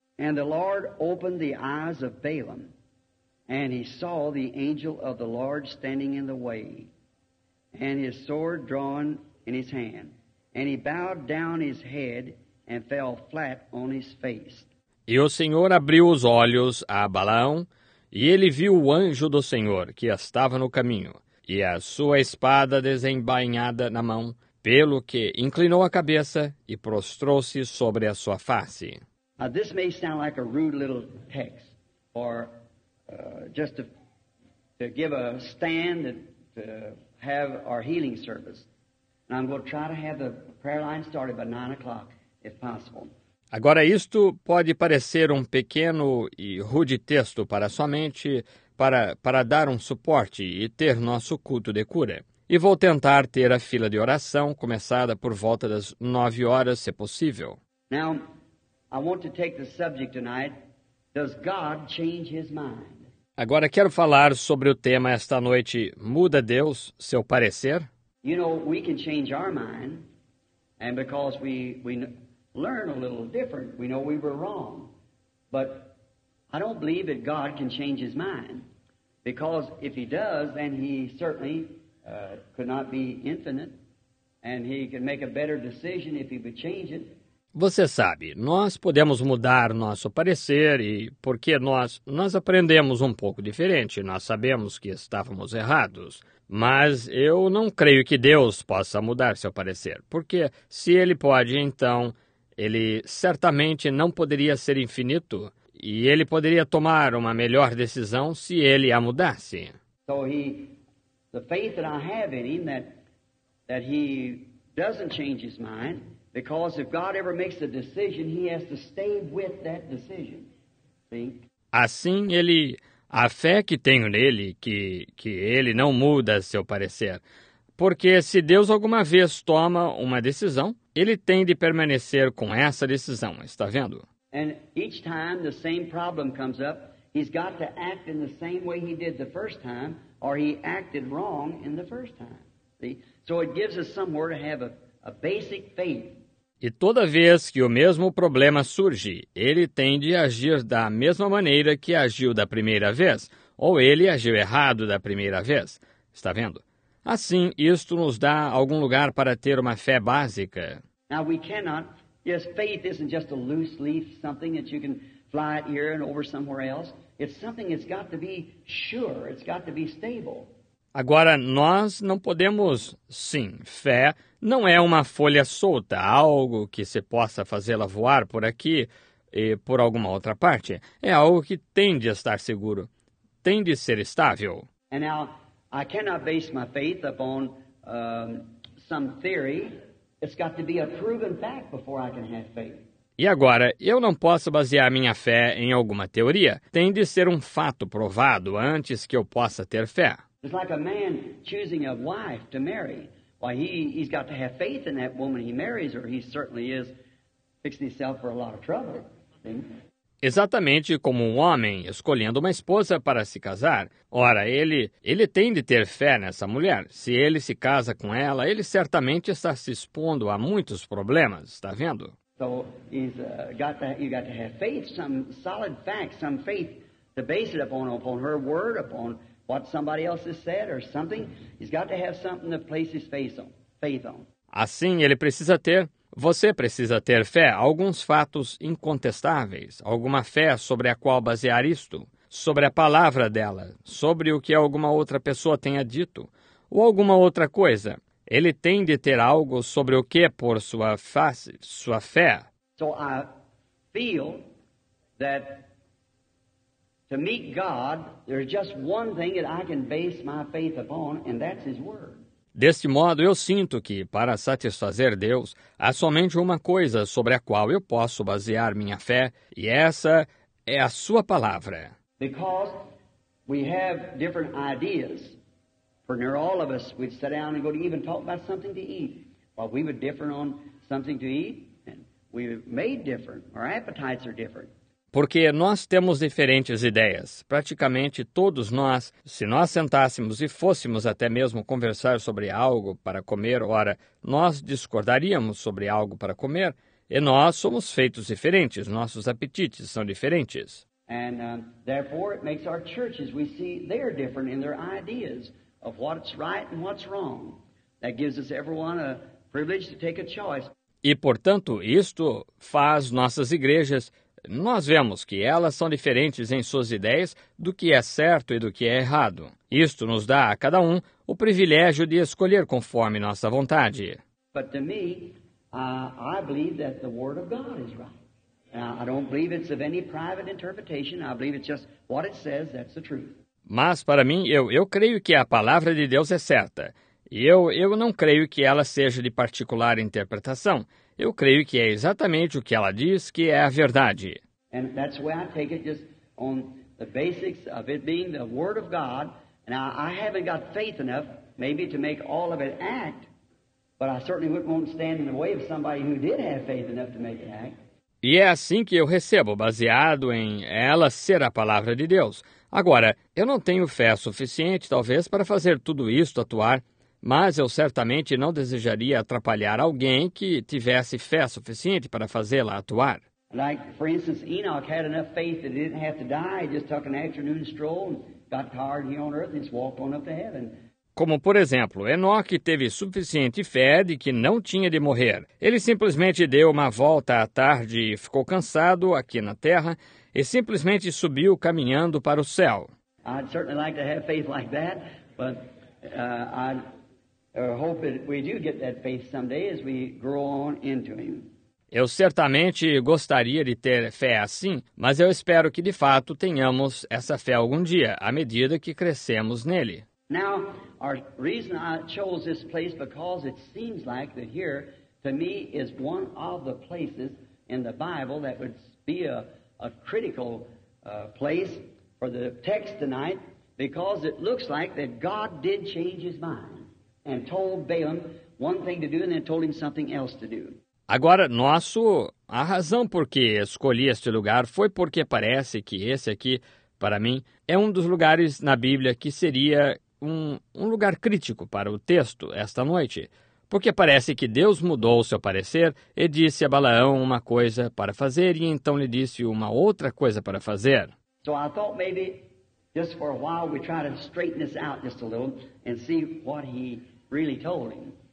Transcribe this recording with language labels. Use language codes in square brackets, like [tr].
[en] And the Lord opened the eyes of Balaam, and he saw the angel of the Lord standing in the way, and his sword drawn in his hand. And he bowed down his head and fell flat on his face. [pt] E o Senhor abriu os olhos a Balaão, e ele viu o anjo do Senhor, que estava no caminho. e a sua espada desembainhada na mão, pelo que inclinou a cabeça e prostrou-se sobre a sua face. [en] This may sound like a rude little text, or just to give a stand to have our healing service. And I'm going to try to have the prayer line started by 9 o'clock, if possible. [pt] Agora, isto pode parecer um pequeno e rude texto para sua mente, para dar um suporte e ter nosso culto de cura. E vou tentar ter a fila de oração começada por volta das 9 horas, se possível. [en] Now, I want to take the subject tonight. Does God change his mind? [pt] Agora, quero falar sobre o tema esta noite. Muda Deus seu parecer? [en] You know, we can change our mind, and because we learn a little different, we know we were wrong. But I don't believe that God can change his mind, because if he does, then he certainly could not be infinite, and he can make a better decision if he would change it. [pt] Você sabe, nós podemos mudar nosso parecer e porque nós aprendemos um pouco diferente, nós sabemos que estávamos errados, mas eu não creio que Deus possa mudar seu parecer, porque se ele pode, então ele certamente não poderia ser infinito e ele poderia tomar uma melhor decisão se ele a mudasse. [en] So the faith that I have in him that he doesn't change his mind. Because if God ever makes a decision, he has to stay with that decision. Think. [pt] Assim, ele, a fé que tenho nele, que ele não muda seu parecer. Porque se Deus alguma vez toma uma decisão, ele tem de permanecer com essa decisão, está vendo? [en] And each time the same problem comes up, he's got to act in the same way he did the first time, or he acted wrong in the first time. See? So it gives us somewhere to have a basic faith. [pt] E toda vez que o mesmo problema surge, ele tende a agir da mesma maneira que agiu da primeira vez, ou ele agiu errado da primeira vez. Está vendo? Assim, isto nos dá algum lugar para ter uma fé básica. [en] Now we cannot. Yes, faith isn't just a loose leaf, something that you can fly it here and over somewhere else. It's something that's got to be sure, it's got to be stable. [pt] Agora, nós não podemos, sim, fé não é uma folha solta, algo que se possa fazê-la voar por aqui e por alguma outra parte. É algo que tem de estar seguro, tem de ser estável. [en] And now, I cannot base my faith upon some theory. It's got to be a proven fact before I can have faith. [pt] E agora, eu não posso basear minha fé em alguma teoria. Tem de ser um fato provado antes que eu possa ter fé. [en] It's like a man choosing a wife to marry. Why, he's got to have faith in that woman he marries, or he certainly is fixing himself for a lot of trouble. [pt] Exatamente como um homem escolhendo uma esposa para se casar. Ora, ele tem de ter fé nessa mulher. Se ele se casa com ela, ele certamente está se expondo a muitos problemas, está vendo? [en] So he's got to have faith, some solid facts, some faith to base it upon her word, upon what somebody else has said or something. He's got to have something to place his faith on. [pt] Assim, ele precisa ter, você precisa ter fé, alguns fatos incontestáveis, alguma fé sobre a qual basear isto, sobre a palavra dela, sobre o que alguma outra pessoa tenha dito, ou alguma outra coisa. Ele tem de ter algo sobre o que pôr sua face, sua fé. [en] So I feel that to meet God, there's just one thing that I can base my faith upon, and that's his word. [pt] Deste modo, eu sinto que, para satisfazer Deus, há somente uma coisa sobre a qual eu posso basear minha fé, e essa é a sua palavra. [en] Because we have different ideas. For near all of us, we'd sit down and go to even talk about something to eat. Well, we would differ on something to eat, and we made different. Our appetites are different. [pt] Porque nós temos diferentes ideias. Praticamente todos nós, se nós sentássemos e fôssemos até mesmo conversar sobre algo para comer, ora, nós discordaríamos sobre algo para comer, e nós somos feitos diferentes, nossos apetites são diferentes. [en] And therefore it makes our churches, we see they're different in their ideas of what's right and what's wrong. That gives us everyone a privilege to take a choice. [pt] E portanto, isto faz nossas igrejas nós vemos que elas são diferentes em suas ideias do que é certo e do que é errado. Isto nos dá a cada um o privilégio de escolher conforme nossa vontade. [en] But to me, I believe that the word of God is right. I don't believe it's of any private interpretation. I believe it's just what it says, that's the truth. [pt] Mas para mim, eu creio que a palavra de Deus é certa. Eu não creio que ela seja de particular interpretação. Eu creio que é exatamente o que ela diz que é a verdade. [en] And that's why I take it just on the basics of it being the word of God. And I haven't got faith enough maybe to make all of it act, but I certainly won't stand in the way of somebody who did have faith enough to make it act. [pt] E é assim que eu recebo, baseado em ela ser a palavra de Deus. Agora, eu não tenho fé suficiente, talvez, para fazer tudo isto atuar, mas eu certamente não desejaria atrapalhar alguém que tivesse fé suficiente para fazê-la atuar. [en] Like, for instance, Enoch had enough faith that he didn't have to die, just took an afternoon stroll and got tired here on earth and just walked on up to heaven. [pt] Como, por exemplo, Enoch teve suficiente fé de que não tinha de morrer. Ele simplesmente deu uma volta à tarde e ficou cansado aqui na Terra e simplesmente subiu caminhando para o céu. [en] I'd certainly like to have faith like that, but I hope that we do get that faith someday as we grow on into him. [pt] Eu certamente gostaria de ter fé assim, mas eu espero que de fato tenhamos essa fé algum dia, à medida que crescemos nele. [en] Now, our reason I chose this place because it seems like that here, to me, is one of the places in the Bible that would be a critical place for the text tonight, because it looks like that God did change his mind and told Balaam one thing to do and then told him something else to do. [pt] Agora, a razão por que escolhi este lugar foi porque parece que esse aqui, para mim, é um dos lugares na Bíblia que seria um lugar crítico para o texto esta noite, porque parece que Deus mudou o seu parecer e disse a Balaão uma coisa para fazer e então lhe disse uma outra coisa para fazer. [en] So I thought maybe just for a while we try to straighten this out just a little and see what he really told him.